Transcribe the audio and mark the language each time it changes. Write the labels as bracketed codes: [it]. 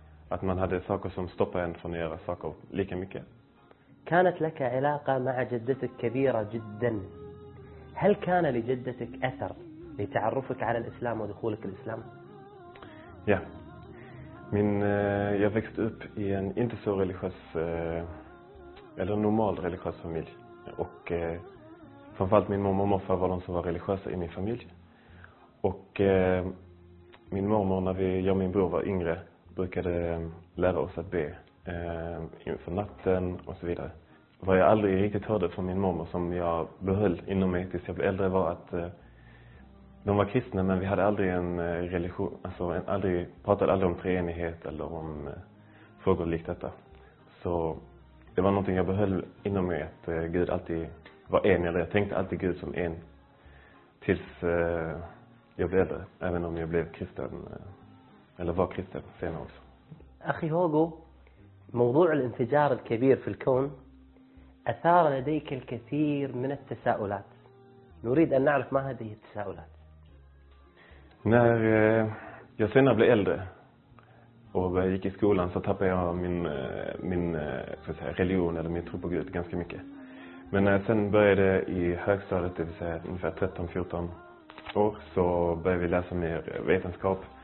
[sv] Att man hade saker som stoppade en från att göra saker lika mycket. [ar] كانت لك علاقة مع جدتك كبيرة جدا. هل كان لجدتك أثر لتعرفك على الإسلام ودخولك الإسلام؟ [sv] Ja. Jag växte upp i en inte så religiös eller normal religiös familj. Och framförallt min mormor och morfar var de som var religiösa i min familj. Och min mormor, när jag och min bror var yngre, brukade lära oss att be inför natten och så vidare. Vad jag aldrig riktigt hörde från min mormor, som jag behöll inom mig tills jag blev äldre, var att de var kristna, men vi hade aldrig en religion, alltså pratade aldrig om treenighet eller om frågor likt detta. Så det var någonting jag behöll inom mig, att Gud alltid var en, eller jag tänkte alltid Gud som en tills jag blev äldre, även om jag blev kristen eller var kristen senare också. [ar] أخي هوغو موضوع الانفجار الكبير في الكون أثار لديك الكثير من التساؤلات نريد أن نعرف ما هذه التساؤلات [sv] När jag senare blev äldre och jag gick i skolan så tappade jag min religion eller min tro på Gud ganska mycket. Men när jag sen började i högstadiet, det vill säga ungefär 13-14 år, så började vi läsa mer vetenskap.